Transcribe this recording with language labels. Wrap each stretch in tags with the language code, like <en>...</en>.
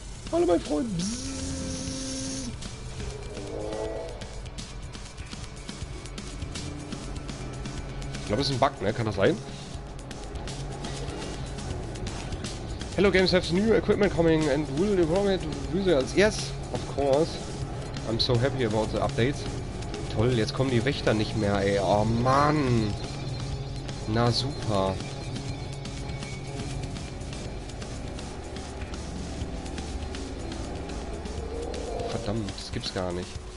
<de>Hallo, mein Freund. Ich glaube, es ist ein Bug, ne? Kann das sein?</de> <en>Hello, Games have new equipment coming and will inform it users. Yes, of course. I'm so happy about the updates.</en> <de>Toll, jetzt kommen die Wächter nicht mehr, ey. Oh, Mann. Na, super. Verdammt, das gibt's gar nicht.</de>